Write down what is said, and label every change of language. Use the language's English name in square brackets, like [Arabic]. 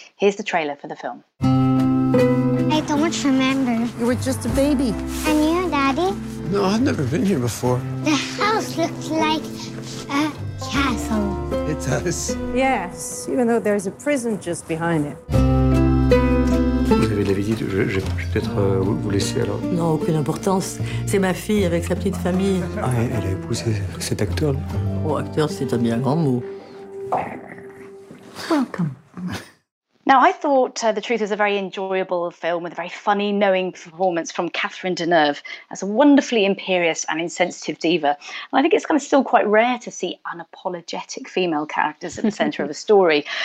[English] Here's the trailer for the film. I don't remember. You were just a baby. And you, Daddy? No, I've never been here before. The house looks like a castle. It does? Yes, even though there's a prison just behind it. [French] Vous l'avez dit, je vais peut-être vous laisser alors. Non, aucune importance. C'est ma fille avec sa petite famille. Ah, elle a épousé cet acteur. Oh, acteur, c'est un bien grand mot. [English] Welcome. Now, I thought The Truth was a very enjoyable film with a very funny, knowing performance from Catherine Deneuve as a wonderfully imperious and insensitive diva. And I think it's kind of still quite rare to see unapologetic female characters at the centre of a story.